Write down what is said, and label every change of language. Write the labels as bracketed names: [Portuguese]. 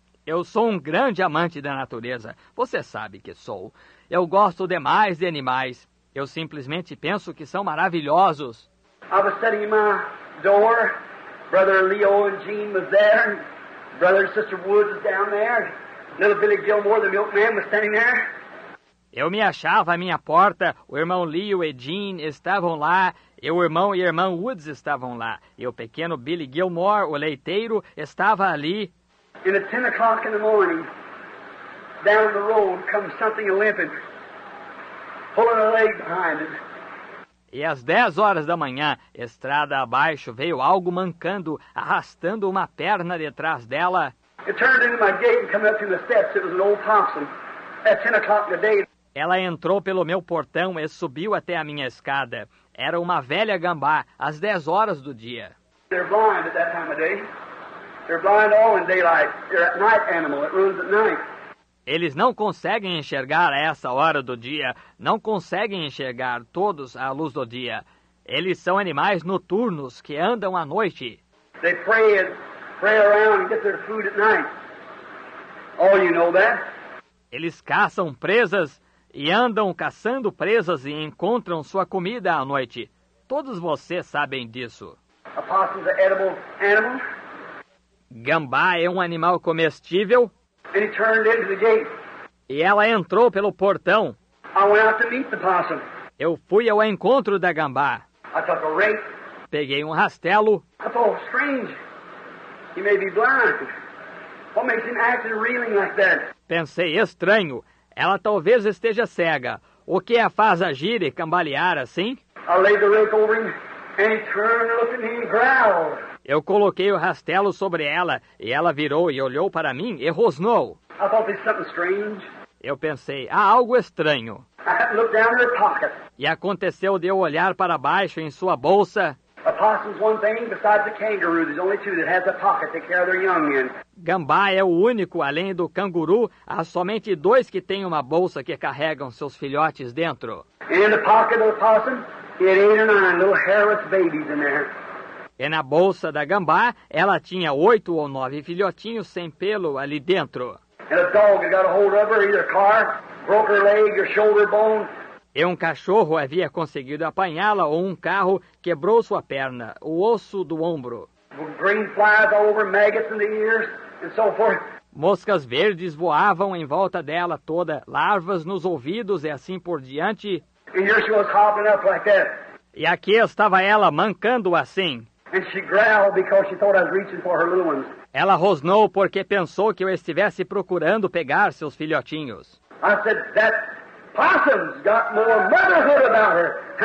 [Portuguese] Eu sou um grande amante da natureza. Você sabe que sou. Eu gosto demais de animais. Eu simplesmente penso que são maravilhosos. [English] I was sitting in my door. Brother Leo and Jean was there. Brother and Sister Woods was down there. Little Billy Gilmore, the milkman, was standing there. [Portuguese] Eu me achava à minha porta, o irmão Leo e Jean estavam lá, e o irmão e a irmã Woods estavam lá, e o pequeno Billy Gilmore, o leiteiro, estava ali. [English] And at 10 o'clock in the morning, down the road, comes something limping, pulling a leg behind it. [Portuguese] E às 10 horas da manhã, estrada abaixo, veio algo mancando, arrastando uma perna detrás dela. [English] It turned into my gate and came up through the steps. It was an old possum. At 10 o'clock in the day. [Portuguese] Ela entrou pelo meu portão e subiu até a minha escada. Era uma velha gambá, às 10 horas do dia. [English] They're blind at that time of day. They're blind all in daylight. They're a night animal. It runs at night. [Portuguese] Eles não conseguem enxergar a essa hora do dia. Não conseguem enxergar todos à luz do dia. Eles são animais noturnos que andam à noite. [English] They prey around and get their food at night. Oh, you know that? [Portuguese] Eles caçam presas. E andam caçando presas e encontram sua comida à noite. Todos vocês sabem disso. [English] A possum is an edible animal. [Portuguese] Gambá é um animal comestível. [English] And he turned into the gate. [Portuguese] E ela entrou pelo portão. [English] I went out to meet the possum. [Portuguese] Eu fui ao encontro da gambá. [English] I took a rake. [Portuguese] Peguei um rastelo. [English] I thought, strange. He may be blind. What makes him act and reeling like that? [Portuguese] Pensei, estranho. Ela talvez esteja cega. O que a faz agir e cambalear assim? [English] I laid the rake over him, and he turned and looked at me and growled. [Portuguese] Eu coloquei o rastelo sobre ela, e ela virou e olhou para mim e rosnou. [English] I thought there's something strange. [Portuguese] Eu pensei, há algo estranho. [English] I looked down in her pocket. [Portuguese] E aconteceu de eu olhar para baixo em sua bolsa. [English] A possum's one thing besides the kangaroo. There's only two that has a pocket to carry their young in. [Portuguese] Gambá é o único, além do canguru, há somente dois que têm uma bolsa que carregam seus filhotes dentro. [English] In the pocket of the possum, he had 8 or 9 little hairless babies in there. [Portuguese] E na bolsa da gambá, ela tinha 8 ou 9 filhotinhos sem pelo ali dentro. [English] And a dog had got a hold of her, either car, broke her leg or shoulder bone. [Portuguese] E um cachorro havia conseguido apanhá-la ou um carro quebrou sua perna, o osso do ombro. [English] Green flies all over, maggots in the ears, and so forth. [Portuguese] Moscas verdes voavam em volta dela toda, larvas nos ouvidos e assim por diante. [English] And here she was hopping up like that. [Portuguese] E aqui estava ela mancando assim. [English] And she growled because she thought I was reaching for her little ones. [Portuguese] Ela rosnou porque pensou que eu estivesse procurando pegar seus filhotinhos. [English] I said that possum's got more motherhood about her.